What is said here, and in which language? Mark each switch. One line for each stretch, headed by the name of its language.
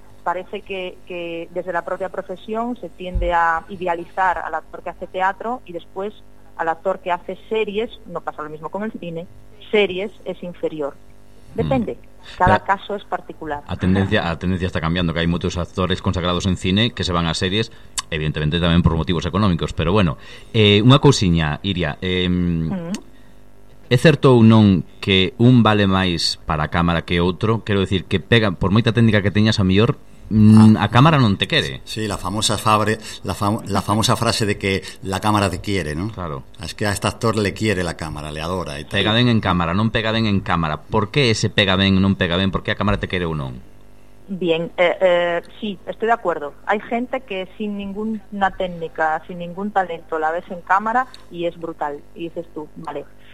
Spanish: Parece que desde la propia profesión se tiende a idealizar al actor que hace teatro y después al actor que hace series, no pasa lo mismo con el cine, series es inferior. Depende, cada caso es particular. La tendencia está cambiando, que hay muchos actores consagrados en cine que se van a series, evidentemente también por motivos económicos, pero bueno.
Galician: Una cousiña, Iria, é certo ou non que un vale máis para a cámara que outro? Quero dicir, que pega, por moita técnica que teñas, a mellor a cámara non te quere.
Spanish: Sí, la famosa frase de que la cámara te quiere, ¿no? Claro. Es que a este actor le quiere la cámara, le adora.
Galician: Pega ben en cámara, non pega ben en cámara. Por que ese pega ben, non pega ben? Por que a cámara te quere ou non?
Spanish: Bien, sí, estoy de acuerdo. Hay gente que sin ninguna técnica, sin ningún talento, la ves en cámara y es brutal. Y dices tú, vale.